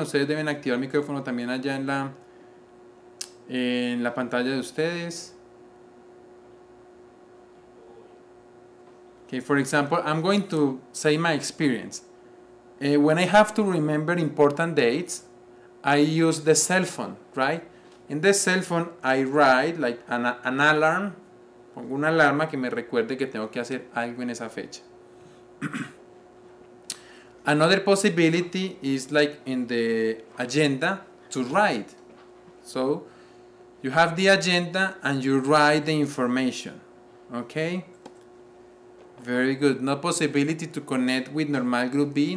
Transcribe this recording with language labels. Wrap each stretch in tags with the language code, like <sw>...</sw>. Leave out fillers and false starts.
<es>Ustedes deben activar micrófono también allá en la pantalla de ustedes.</es> <en>Okay, for example, I'm going to say my experience. When I have to remember important dates, I use the cell phone, right? In the cell phone, I write like an alarm.</en> <es>Pongo una alarma que me recuerde que tengo que hacer algo en esa fecha.</es> <en>Another possibility is like in the agenda to write. So you have the agenda and you write the information. Okay? Very good. No possibility to connect with normal group B.</en>